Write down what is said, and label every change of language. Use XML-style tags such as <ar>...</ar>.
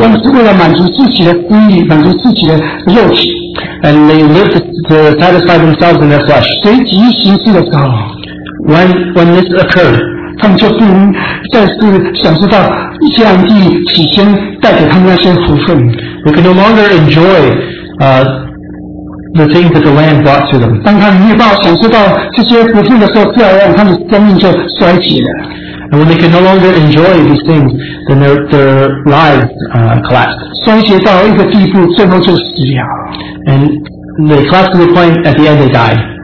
<zh>他们是为了满足自己的私欲，满足自己的肉体,</zh> <en>and they lived to satisfy themselves in their flesh.</en> <zh>随即行事的时候,</zh> <en>when this occurred,</en> <zh>他们就不能再次享受到迦南地起先带给他们那些福分。</zh> <en>We can no longer enjoy the things that the land brought to them.</en> <zh>当他们没有办法享受到这些福分的时候，自然而然他们生命就衰竭了。</zh> <en>And when they can no longer enjoy these things, then their lives collapsed.</en> <zh>衰竭到一个地步，最后就死了。</zh> <en>And they collapsed to the point at the end they died.</en>